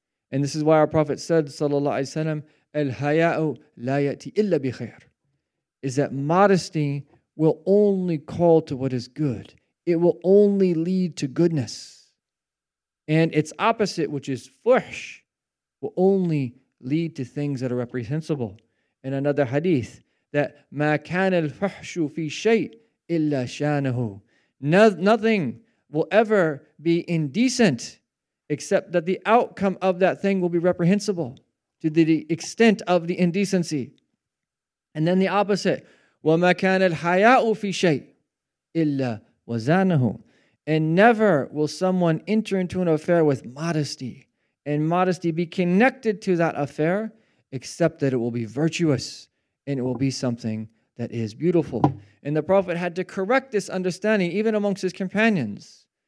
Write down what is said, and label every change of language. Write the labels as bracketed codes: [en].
[en] And this is why our Prophet said, sallallahu alayhi wa sallam, [ar] al-haya'u la yati illa bi khair, [en] is that modesty will only call to what is good. It will only lead to goodness. And its opposite, which is fuhsh, will only lead to things that are reprehensible. In another hadith, that [ar] مَا كَانَ الْفُحْشُ فِي شَيْءٍ إِلَّا شَانَهُ. [en] Nothing will ever be indecent except that the outcome of that thing will be reprehensible to the extent of the indecency. And then the opposite, [ar] وَمَا كَانَ الْحَيَاءُ فِي شَيْءٍ إِلَّا وَزَانَهُ. [en] And never will someone enter into an affair with modesty and modesty be connected to that affair except that it will be virtuous and it will be something that is beautiful. And the Prophet had to correct this understanding even amongst his companions.